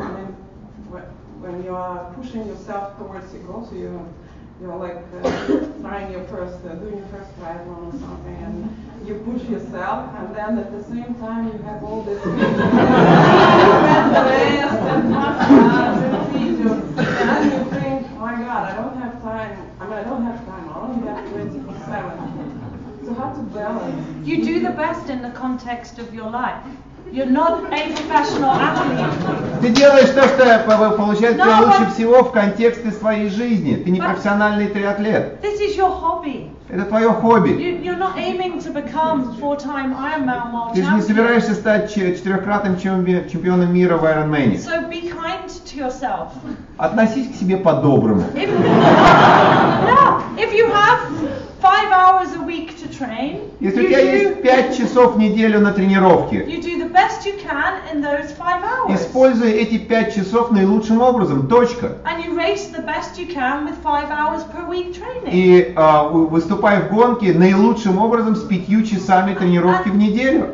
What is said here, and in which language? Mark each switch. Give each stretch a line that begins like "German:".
English: I mean, when you are pushing yourself towards your goals, you're like trying your first, doing your first triathlon or something, and you push yourself, and then at the same time you have all this mental rest and massage, and then you think, oh my God, I don't have time. I mean, I don't have time. I only have 24/7. You do the best in the context of your life. You're not a professional athlete.
Russian: Ты делаешь то, что получается лучше всего в контексте своей жизни. Ты не профессиональный триатлет.
English: This is your hobby.
Russian: Это твое хобби.
English: You're not aiming to become four-time Ironman world champion.
Russian: Ты же не собираешься стать четырехкратным чемпионом мира в Ironman.
English: So be kind to yourself.
Russian: Относись к себе по-доброму.
English: If you have 5 hours a week to train,
Russian: если у тебя есть 5 часов в неделю на тренировки,
English: you do the best you can in those 5 hours.
Russian: Используй эти 5 часов наилучшим образом. Точка.
English: And you race the best you can with 5 hours per week training.
Russian: И выступай в гонке наилучшим образом с 5 часами тренировки в неделю.